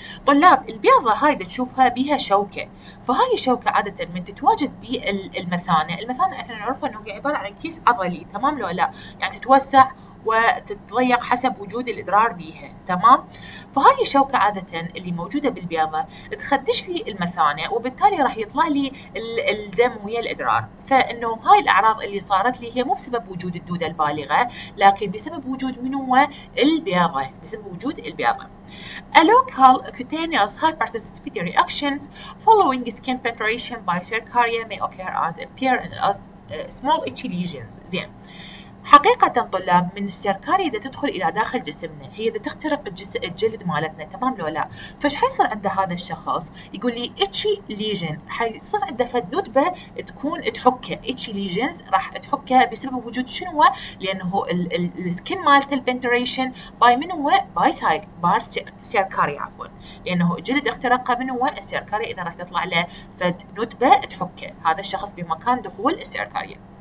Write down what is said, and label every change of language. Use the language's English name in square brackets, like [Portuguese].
[Arabic] طلاب البيضة هاي تشوفها بها شوكة، فهاي الشوكة عادة من تتواجد بالمثانة، المثانة احنا نعرفها انه هي عبارة عن كيس عضلي، تمام لو لا؟ يعني تتوسع وتتضيق حسب وجود الادرار بيها، تمام؟ فهاي الشوكة عادة اللي موجودة بالبيضة تخدش لي المثانة، وبالتالي راح يطلع لي الدم ويا الادرار. فانه هاي الاعراض اللي صارت لي هي مو بسبب وجود الدودة البالغة، لكن بسبب وجود من هو؟ البيضة، بسبب وجود البيضة. [English] A local cutaneous hypersensitivity reactions following skin penetration by circaria may occur and appear as small itchy lesions. [Arabic] زين حقيقة طلاب من السيركاريا إذا تدخل إلى داخل جسمنا، هي إذا تخترق الجلد مالتنا، تمام لو لا؟ فش حيصير عند هذا الشخص؟ يقول لي [English] itchy lesion، [Arabic] حيصير عنده فد نتبة تكون تحكه، [English] itchy lesions [Arabic] راح تحكه بسبب وجود شنو؟ لأنه السكن مالت البنتريشن باي من هو؟ باي سايك بار سيركاريا عفوا، لأنه الجلد اخترق من هو؟ السيركاريا، إذا راح تطلع له فد نتبة تحكه هذا الشخص بمكان دخول السيركاريا.